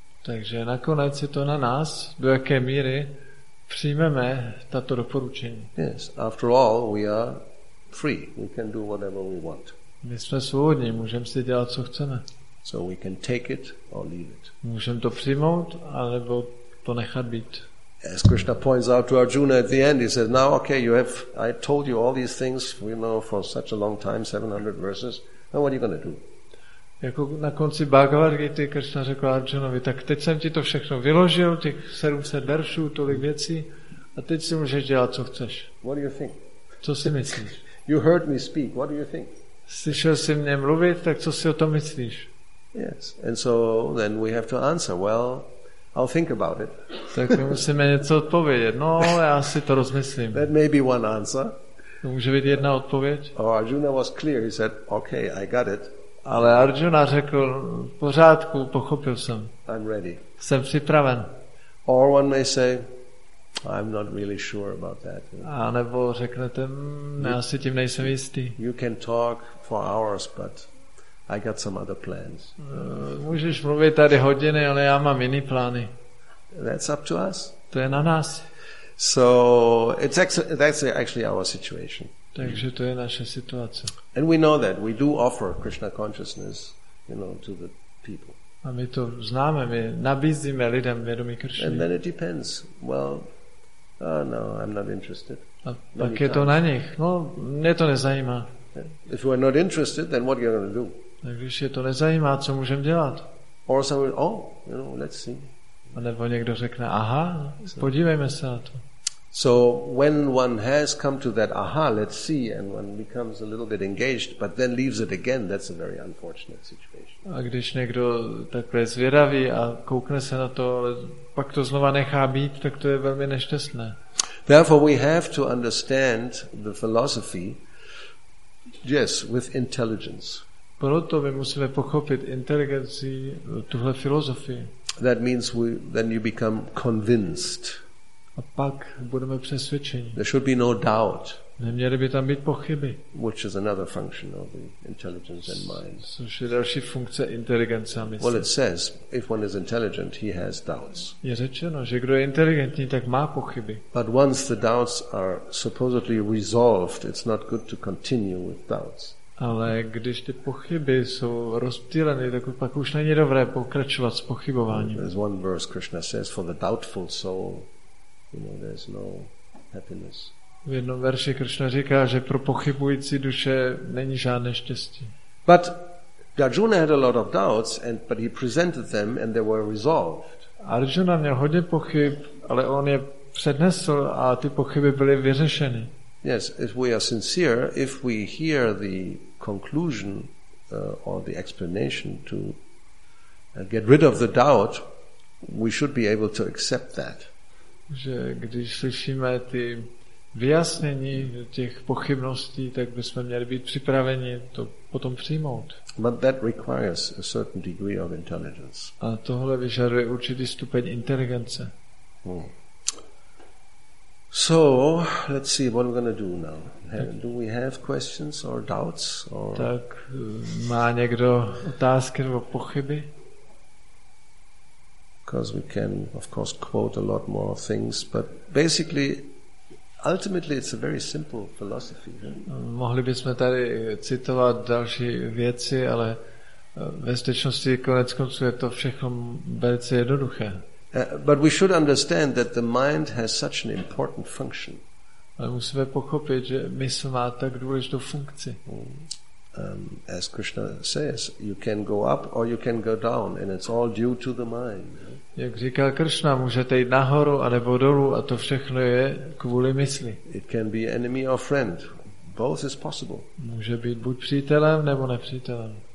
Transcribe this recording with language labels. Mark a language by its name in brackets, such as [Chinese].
[Czech] Takže nakonec je to na nás, do jaké míry přijmeme tato doporučení. [English] Yes, after all, we are free. We can do whatever we want. [Czech] My jsme svobodní, můžeme si dělat, co chceme. [English] So we can take it or leave it. [Czech] Můžeme to přijmout, alebo to nechat být. [English] As Krishna points out to Arjuna at the end, he says, now, okay, I told you all these things, you know, for such a long time, 700 verses, now what are you going to do? [Czech] Jako na konci Bhagavad Gita Krishna řekl Arjunovi, tak teď jsem ti to všechno vyložil, těch 700 veršů, tolik věcí, a teď si můžeš dělat, co chceš. [English] What do you think? [Czech] Co si myslíš? [English] You heard me speak, what do you think? [Czech] Slyšel jsi mě mluvit, tak co si o tom myslíš? [English] Yes, and so then we have to answer, well, I'll think about it. [Czech] Tak my musíme něco odpovědět. No, já si to rozmyslím. [English] That may be one answer. [Czech] To může být jedna odpověď. [English] Oh, Arjuna was clear. He said, okay, I got it. [Czech] Ale Arjuna řekl, v pořádku, pochopil jsem. [English] I'm ready. [Czech] Jsem připraven. [English] Or one may say, I'm not really sure about that. [Czech] A nebo řeknete, já si tím nejsem jistý. [English] You can talk for hours, but I got some other plans. [Czech] Můžeš mluvit tady hodiny, ale já mám jiný plány. [English] That's up to us. [Czech] To je na nás. [English] So it's actually our situation. [Czech] Takže to je naše situace. [English] And we know that we do offer Krishna consciousness, you know, to the people. [Czech] A my to známe, my nabízíme lidem vědomí Kršny. [English] And then it depends. Well, no, I'm not interested. [Czech] A pak je to na nich. No, mě to nezajímá. [English] If you are not interested, then what are you going to do? [Czech] Tak když je to nezajímá, co můžeme dělat? [English] Or someone, oh, you know, let's see. [Czech] A nebo někdo řekne, aha, podívejme se na to. [English] So when one has come to that, aha, let's see, and one becomes a little bit engaged, but then leaves it again, that's a very unfortunate situation. [Czech] A když někdo takhle zvědaví a koukne se na to, ale pak to znova nechá být, tak to je velmi nešťastné. [English] Therefore we have to understand the philosophy, yes, with intelligence. [Czech] Proto my musíme pochopit inteligenci tuhle filozofii. [English] That means then you become convinced. [Czech] A pak budeme přesvědčeni. [English] There should be no doubt. [Czech] Neměly by tam být pochyby. [English] Which is another function of the intelligence and mind. [Czech] Což je další funkce inteligence a mysli. [English] Well, it says, if one is intelligent, he has doubts. [Czech] Je řečeno, že kdo je inteligentní, tak má pochyby. [English] But once the doubts are supposedly resolved, it's not good to continue with doubts. [Czech] Ale když ty pochyby jsou rozptýleny, tak pak už není dobré pokračovat s pochybováním. [English] There's one verse Krishna says, for the doubtful soul, you know, there's no happiness. [Czech] V jednom verši Krishna říká, že pro pochybující duše není žádné štěstí. [English] But Arjuna had a lot of doubts, but he presented them and they were resolved. [Czech] Arjuna měl hodně pochyb, ale on je přednesl a ty pochyby byly vyřešeny. [English] Yes, if we are sincere, if we hear the conclusion or the explanation to get rid of the doubt, we should be able to accept that. [Czech] Že když slyšíme ty vyjasnění těch pochybností, tak bychom měli být připraveni to potom přijmout. [English] But that requires a certain degree of intelligence. [Czech] A tohle vyžaduje určitý stupeň inteligence. Hmm. [English] So, let's see what we're going to do now. Do we have questions or doubts? Or... [Czech] Tak má někdo otázky nebo pochyby? [English] Because we can, of course, quote a lot more things, but basically, ultimately, it's a very simple philosophy. [Czech] Mohli bychom tady citovat další věci, ale ve skutečnosti konec konců je to všechno velice jednoduché. [English] But we should understand that the mind has such an important function. [Czech] Ale musíme pochopit, že mysl má tak důležitou funkci. [English] As Krishna says, you can go up or you can go down, and it's all due to the mind. [Czech] Jak říká Krishna, můžete jít nahoru anebo dolů, a to všechno je kvůli mysli. [English] It can be enemy or friend. Both is possible. [Czech] Může být buď přítelem nebo nepřítelem.